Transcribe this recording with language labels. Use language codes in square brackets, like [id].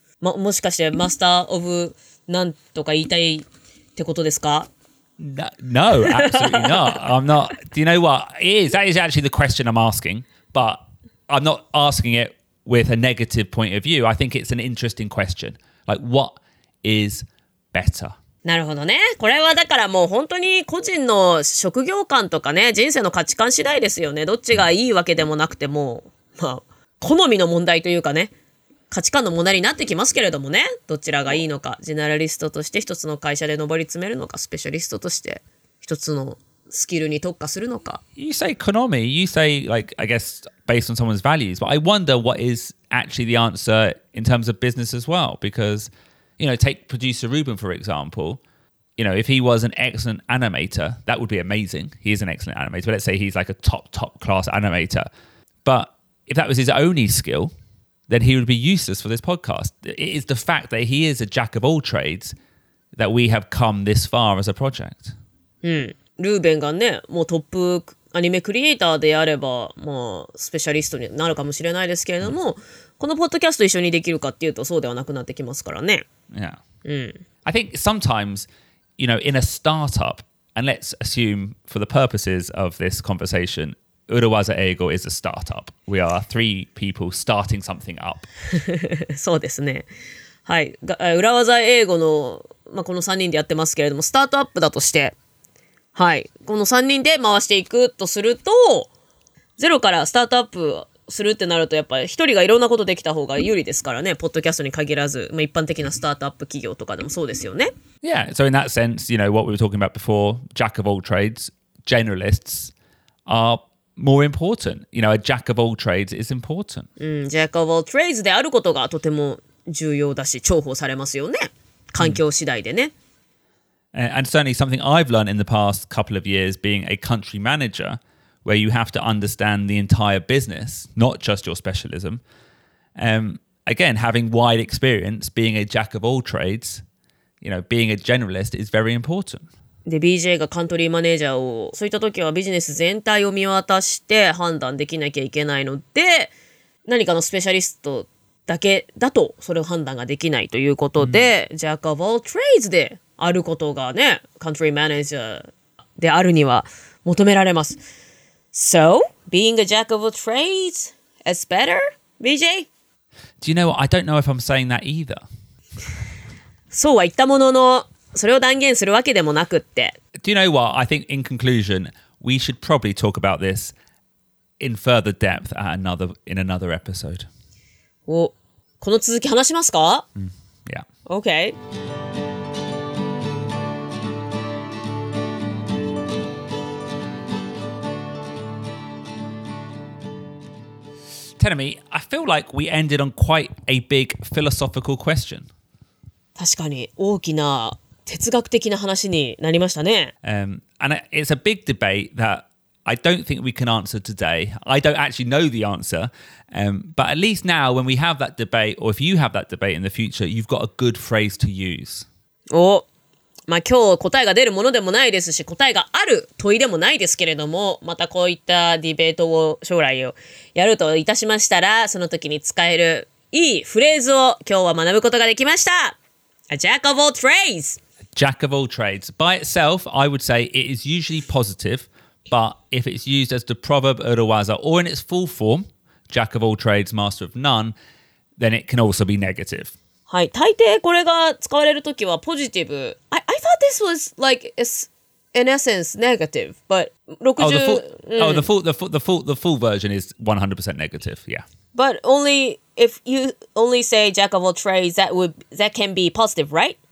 [ja] もしかしてマスターオブなんとか言いたいってことですか？ [en] No, absolutely not. I'm not. Do you know what? That is actually the question I'm asking, but I'm not asking it with a negative point of view. I think it's an interesting question. Like, what is better? [ja] なるほどね。これはだからもう本当に個人の職業観とかね、人生の価値観次第ですよね。どっちがいいわけでもなくても、まあ、好みの問題というかね。価値観の問題になってきますけれどもね、どちらがいいのか、ジェネラリストとして一つの会社で上り詰めるのか、スペシャリストとして一つのスキルに特化するのか。 [en] You say konomi, you say like, I guess, based on someone's values, but I wonder what is actually the answer in terms of business as well, because, you know, take producer Ruben, for example, you know, if he was an excellent animator, that would be amazing. He is an excellent animator, but let's say he's like a top, top class animator. But if that was his only skill,then he would be useless for this podcast. It is the fact that he is a jack of all trades that we have come this far as a project. [ja] うん。ルーベンがね、もうトップアニメクリエイターであれば、まあ、スペシャリストになるかもしれないですけれども、このポッドキャスト一緒にできるかっていうとそうではなくなってきますからね。 [en] Yeah. [ja] うん。 [en] I think sometimes, you know, in a startup, and let's assume for the purposes of this conversation, Urawaza Eigo is a startup. We are three people starting something up. [ja] そうですね。はい。Urawaza Eigo の、まあ、この3人でやってますけれども、スタートアップだとして、はい。この3人で回していくとすると、ゼロからスタートアップするってなると、やっぱり一人がいろんなことできた方が有利ですからね。ポッドキャストに限らず、まあ、一般的なスタートアップ企業とかでもそうですよね。 [en] Yeah, so in that sense, you know, what we were talking about before, jack of all trades, generalists, are more important. You know, a jack of all trades is important. [ja] Jack of all trades であることがとても重要だし、重宝されますよね。環境次第でね。 [en] And certainly something I've learned in the past couple of years being a country manager, where you have to understand the entire business, not just your specialism. Again, having wide experience, being a jack of all trades, you know, being a generalist is very important. [ja] で、BJ がカントリーマネージャーを、そういった時はビジネス全体を見渡して判断できなきゃいけないので、何かのスペシャリストだけだとそれを判断ができないということで、jack of all trades で、あることがね、country manager であるには求められます。 [en] So, being a jack of all trades is better, BJ? Do you know what? I don't know if I'm saying that either. [ja] そうは言ったものの、それを断言するわけでもなくって。 [en] Do you know what? I think in conclusion, we should probably talk about this in further depth at another, in another episode. [ja] お、この続き話しますか? [en] Yeah. Okay. Tenami, I feel like we ended on quite a big philosophical question. [ja] 確かに大きな哲学的な話になりましたね。 [en] And it's a big debate that I don't think we can answer today. I don't actually know the answer. But at least now, when we have that debate, or if you have that debate in the future, you've got a good phrase to use. [ja] お、まあ今日答えが出るものでもないですし、答えがある問いでもないですけれども、またこういったディベートを将来をやるといたしましたら、その時に使えるいいフレーズを今日は学ぶことができました。 [en] A jack of all trades! Jack of all trades. By itself, I would say it is usually positive, but if it's used as the proverb Urawaza or in its full form, jack of all trades, master of none, then it can also be negative. [ja] はい、大抵これが使われるときはポジティブ。 [en] I thought this was like in essence negative, but 60. Oh, the full version is 100% negative. Yeah. But only if you only say jack of all trades, that can be positive, right?